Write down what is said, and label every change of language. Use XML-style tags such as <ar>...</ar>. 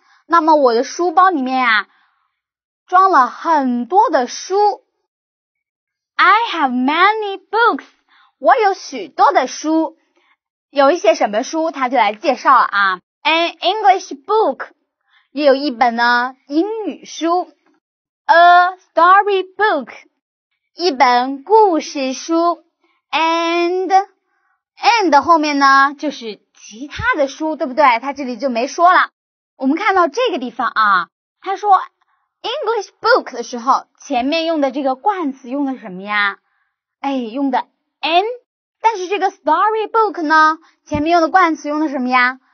<zh>那么我的书包里面啊，装了很多的书。</zh> <en>I have many books. 我有许多的书。</en> <zh>有一些什么书，他就来介绍啊。 An English book, 也有一本呢英语书。</zh> <en>A story book, 一本故事书。</en> <zh>And 后面呢就是其他的书，对不对？他这里就没说了。我们看到这个地方啊，他说 English book 的时候，前面用的这个冠词用的什么呀？哎，用的 an。但是这个 story book 呢，前面用的冠词用的什么呀？</zh>